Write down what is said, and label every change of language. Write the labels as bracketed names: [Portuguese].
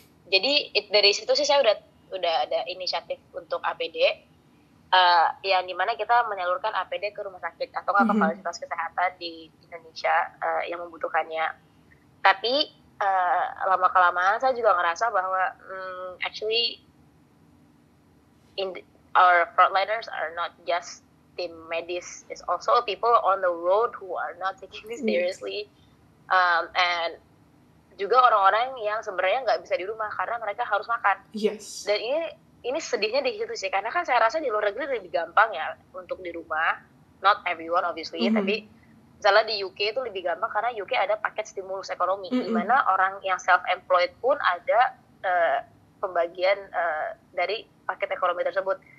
[Indonesian] Jadi dari situ sih saya udah ada inisiatif untuk APD. Yang dimana kita menyalurkan APD ke rumah sakit atau ke fasilitas kesehatan di Indonesia yang membutuhkannya. Tapi lama-kelamaan saya juga ngerasa bahwa [English] actually our frontliners are not just team medis, it's also people on the road who are not taking this seriously. And [Indonesian] juga orang-orang yang sebenarnya nggak bisa di rumah karena mereka harus makan. [English] Yes. [Indonesian] Dan ini sedihnya di situ sih, karena kan saya rasa di luar negeri lebih gampang ya untuk di rumah, [English] not everyone obviously, [Indonesian] tapi misalnya di UK itu lebih gampang karena UK ada paket stimulus ekonomi, di mana orang yang self-employed pun ada pembagian dari paket ekonomi tersebut.